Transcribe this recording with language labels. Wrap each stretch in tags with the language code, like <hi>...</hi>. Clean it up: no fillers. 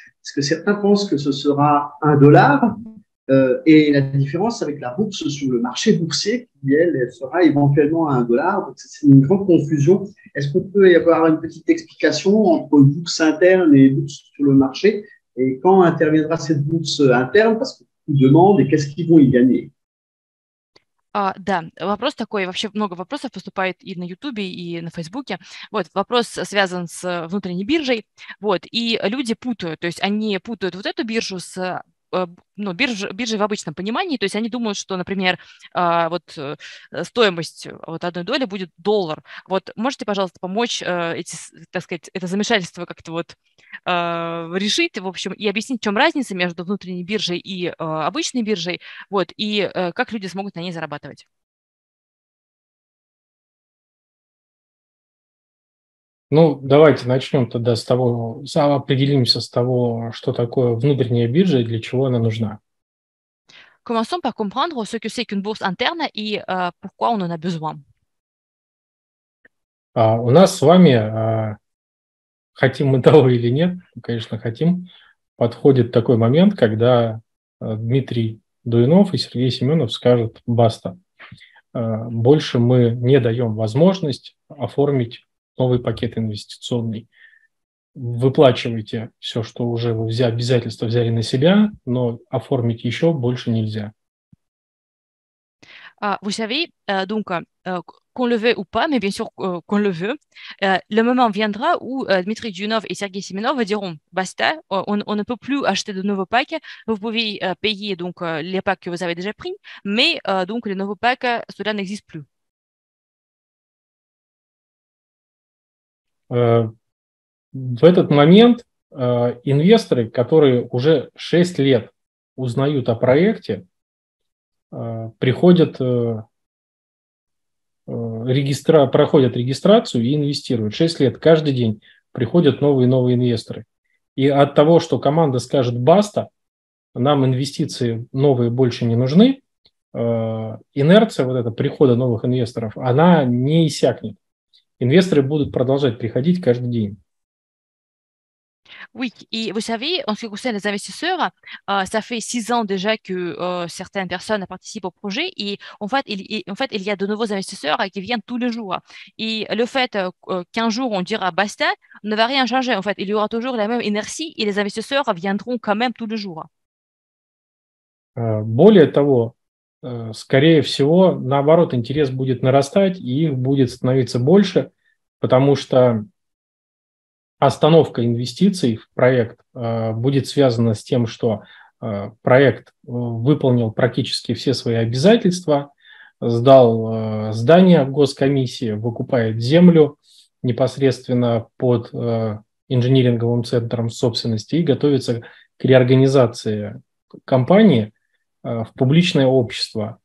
<fr>Parce que certains pensent que ce sera $1 et la différence avec la bourse sur le marché boursier qui elle sera éventuellement à $1. Donc c'est une grande confusion. Est-ce qu'on peut y avoir une petite explication entre bourse interne et bourse sur le marché et quand interviendra cette bourse interne? Parce qu'on demande et qu'est-ce qu'ils vont y gagner?</fr> <ru>Да, вопрос такой, вообще много вопросов поступает и на Ютубе, и на Фейсбуке. Вот, вопрос связан с внутренней биржей, вот, и люди путают, то есть они путают вот эту биржу с, ну, биржей в обычном понимании, то есть они думают, что, например, вот стоимость вот одной доли будет доллар. Вот, можете, пожалуйста, помочь эти, так сказать, это замешательство как-то вот решить, в общем, и объяснить, в чем разница между внутренней биржей и обычной биржей, вот, и как люди смогут на ней зарабатывать. Ну, давайте начнем тогда с того, определимся с того, что такое внутренняя биржа и для чего она нужна.</ru> <fr>Commençons par comprendre ce que c'est qu'une bourse interne et pourquoi on en a besoin.</fr> <ru>У нас с вами, хотим мы того или нет, конечно, хотим, подходит такой момент, когда Дмитрий Дуйнов и Сергей Семенов скажут «баста». Больше мы не даем возможность оформить новый пакет инвестиционный. Выплачивайте все, что уже вы взяли, обязательства взяли на себя, но оформить еще больше нельзя. Вы знаете,</ru> <fr>donc, qu'on le veut ou pas, mais bien sûr qu'on le veut, le moment viendra où Дмитрий Дюнов et Сергей Семенов diront basta, on ne peut plus acheter de nouveaux packs, vous pouvez payer donc, les packs que vous avez déjà pris, mais donc, les nouveaux packs, cela n'existe plus.</fr> <ru>В этот момент инвесторы, которые уже 6 лет узнают о проекте, приходят проходят регистрацию и инвестируют. 6 лет каждый день приходят новые и новые инвесторы. И от того, что команда скажет «баста», нам инвестиции новые больше не нужны, инерция вот эта прихода новых инвесторов, она не иссякнет. Инвесторы будут продолжать приходить каждый день.</ru> <fr>Oui, et vous savez, en ce qui concerne les investisseurs, ça fait 6 ans déjà que certaines personnes participent au projet et en fait, il y a de nouveaux investisseurs qui viennent tous les jours. Et le fait qu'un jour on dira « basta » ne va rien changer. En fait, il y aura toujours la même inertie et les investisseurs viendront quand même tous les jours.</fr> <ru>Более того, скорее всего, наоборот, интерес будет нарастать и их будет становиться больше, потому что остановка инвестиций в проект будет связана с тем, что проект выполнил практически все свои обязательства, сдал здание госкомиссии, выкупает землю непосредственно под инжиниринговым центром собственности и готовится к реорганизации компании в публичное общество.</ru>